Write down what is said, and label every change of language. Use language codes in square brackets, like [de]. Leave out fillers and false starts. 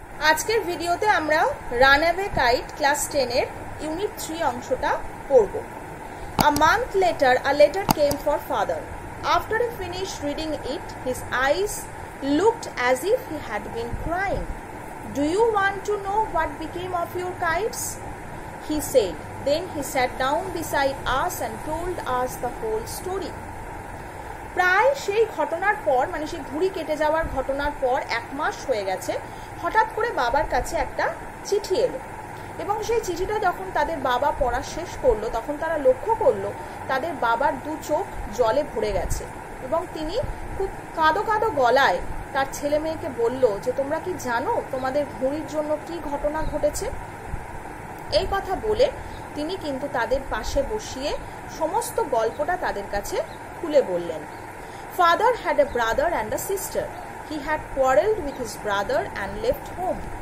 [bn] আজকের ভিডিওতে আমরা রানওয়ে কাইট ক্লাস 10 এর ইউনিট 3 অংশটা পড়ব। [en] A month later, a letter came for father. After he finished reading it, his eyes looked as if he had been crying. Do you want to know what became of your kites? He said. Then he sat down beside us and told us the whole story. [bn] প্রায় সেই ঘটনার পর, মানে সেই ঘুড়ি কেটে যাওয়ার ঘটনার পর এক মাস হয়ে গেছে, হঠাৎ করে বাবার কাছে একটা চিঠি এলো। এবং সেই চিঠিটা যখন তাদের বাবা পড়া শেষ করলো, তখন তারা লক্ষ্য করলো তাদের বাবার দু চোখ জলে ভরে গেছে এবং তিনি খুব কাঁদো কাঁদো গলায় তার ছেলে মেয়েকে বললো যে, তোমরা কি জানো তোমাদের ঘুড়ির জন্য কি ঘটনা ঘটেছে? এই কথা বলে তিনি কিন্তু তাদের পাশে বসিয়ে সমস্ত গল্পটা তাদের কাছে খুলে বললেন। [en] Father had a brother and a sister. He had quarreled with his brother and left home.